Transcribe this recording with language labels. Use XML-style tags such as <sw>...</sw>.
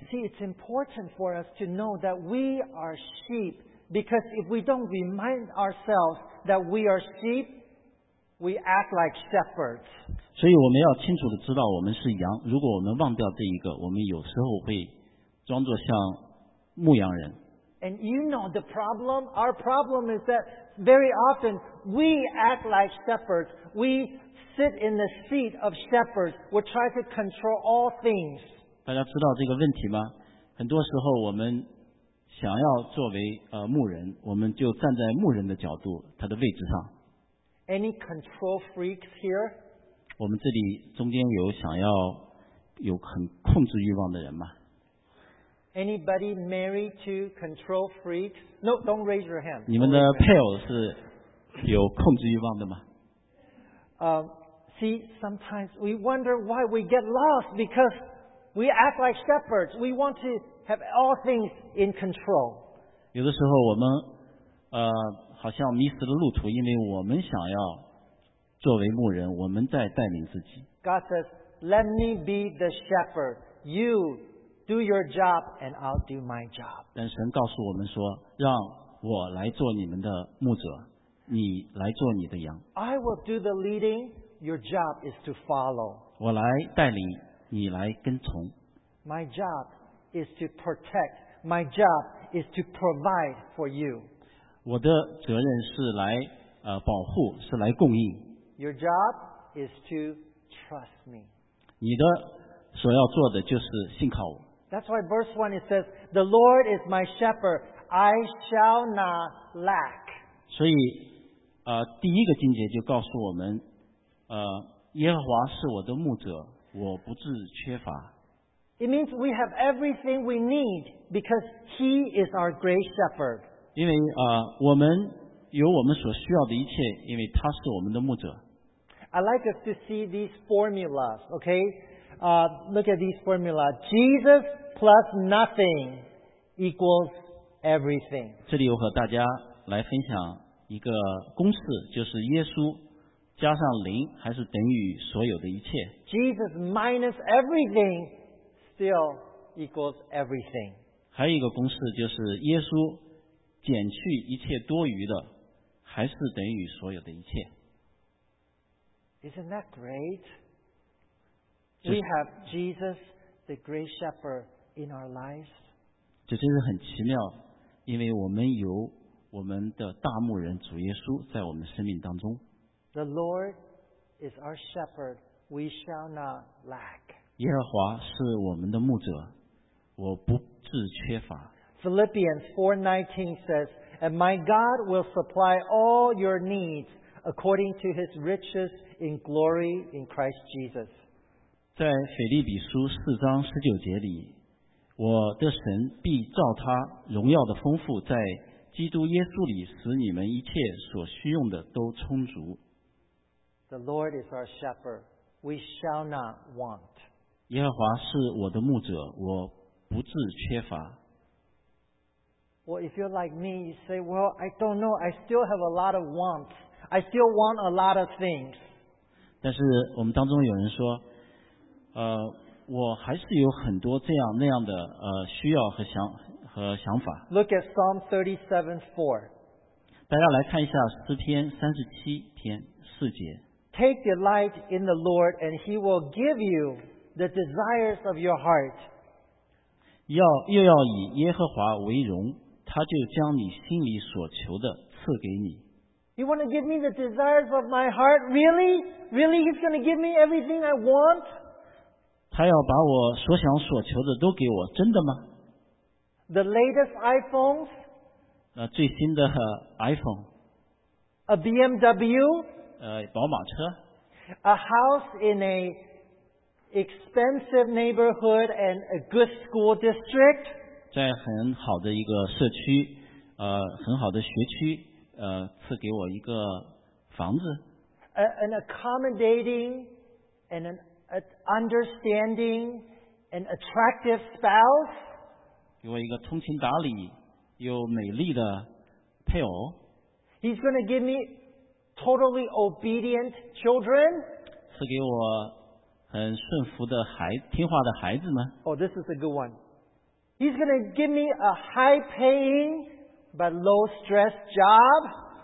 <en>See, it's important for us to know that we are sheep because if we don't remind ourselves that we are sheep, we act like shepherds.</en> <zh>所以我们要清楚的知道我们是羊。如果我们忘掉这一个，我们有时候会装作像牧羊人。</zh> <en>And you know the problem? Our problem is that very often we act like shepherds. We sit in the seat of shepherds. We try to control all things.</en> <zh>大家知道这个问题吗？很多时候我们想要作为牧人，我们就站在牧人的角度，他的位置上。</zh> <en>Any control freaks here?</en> <zh>我们这里中间有想要有很控制欲望的人吗？</zh> <en>Anybody married to control freaks? No, don't raise your hand.</en> <zh>你们的配偶是有控制欲望的吗？</zh> <en>See, sometimes we wonder why we get lost because we act like shepherds. We want to have all things in control.</en> <zh>有的时候我们好像迷失了路途，因为我们想要作为牧人，我们在带领自己。</zh> <en>God says, "Let me be the shepherd. You." Do your job, and I'll do my job.</en> <zh>但神告诉我们说，让我来做你们的牧者，你来做你的羊。</zh> <en>I will do the leading. Your job is to follow.</en> <zh>我来带领，你来跟从。</zh> <en>My job is to protect. My job is to provide for you.</en> <zh>我的责任是来保护，是来供应。</zh> <en>Your job is to trust me.</en> <zh>你的所要做的就是信靠我。</zh> <en>That's why verse 1 it says, The Lord is my shepherd, I shall not lack.</en> <zh>所以第一个经节就告诉我们耶和华是我的牧者，我不致缺乏。</zh> <en>It means we have everything we need because he is our great shepherd.</en> <zh>因为我们有我们所需要的一切，因为他是我们的牧者。</zh> <en>I'd like us to see these formulas, okay? Look at these formula. Jesus plus nothing equals everything.</en> <zh>这里我和大家来分享一个公式，就是耶稣加上零还是等于所有的一切。</zh> <en>Jesus minus everything still equals everything.</en> <zh>还有一个公式就是耶稣减去一切多余的，还是等于所有的一切。</zh> <en>Isn't that great? We have Jesus, the great shepherd, in our lives.</en> <zh>这真是很奇妙，因为我们有我们的大牧人主耶稣在我们生命当中。</zh> <en>The Lord is our shepherd; we shall not lack.</en> <zh>耶和华是我们的牧者，我不致缺乏。</zh> <en>Philippians 4:19 says, And my God will supply all your needs according to his riches in glory in Christ Jesus.</en> <zh>在腓立比书四章十九节里，我的神必照他荣耀的丰富，在基督耶稣里使你们一切所需用的都充足。</zh> <en>The Lord is our shepherd; we shall not want.</en> <zh>耶和华是我的牧者，我不致缺乏。</zh> <en>Well, if you're like me, you say, "Well, I don't know. I still have a lot of wants. I still want a lot of things."</en> <zh>但是我们当中有人说，我还是有很多这样那样的需要和想法。</zh> <en>Look at Psalm 37:4.</en> <zh>大家来看一下诗篇三十七篇四节。</zh> <en>Take delight in the Lord, and He will give you the desires of your heart.</en> <zh>又要以耶和华为荣，他就将你心里所求的赐给你。</zh> <en>You want to give me the desires of my heart? Really? Really? He's going to give me everything I want?</en> <zh>他要把我所想所求的都给我，真的吗？</zh> <en>The latest iPhones?</en> <zh>最新的iPhone?</zh> <en>A BMW?</en> <zh>宝马车。</zh> <en>A house in an expensive neighborhood and a good school district?</en> <zh>在很好的一个社区，很好的学区，赐给我一个房子。</zh> <en>An accommodating and an understanding and attractive spouse?</en> <zh>给我一个通情达理又美丽的配偶。</zh> <en>He's going to give me totally obedient children?</en> <zh>赐给我很顺服的孩子，听话的孩子吗？</zh> <en>Oh, this is a good one. He's going to give me a high-paying but low-stress job?</en>